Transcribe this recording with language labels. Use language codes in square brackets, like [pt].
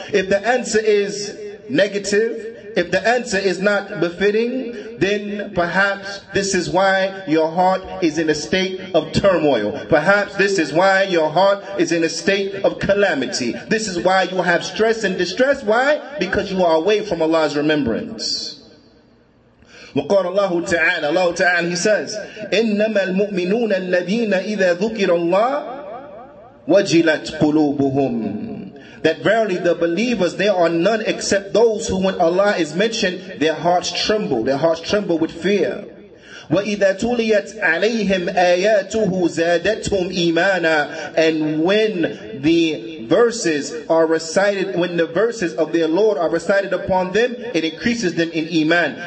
[en] If the answer is negative, if the answer is not befitting, then perhaps this is why your heart is in a state of turmoil. Perhaps this is why your heart is in a state of calamity. This is why you have stress and distress. Why? Because you are away from Allah's remembrance. [ar] وقال الله تعالى, الله تعالى, [en] he says, [ar] إنما المؤمنون الذين إذا ذكر الله وجلت قلوبهم. [en] That verily the believers, there are none except those who, when Allah is mentioned, their hearts tremble with fear. [ar] وَإِذَا تُلِيَتْ عَلَيْهِمْ آيَاتُهُ زَادَتْهُمْ إِيمَانًا. [en] And when the verses are recited, when the verses of their Lord are recited upon them, it increases them in iman.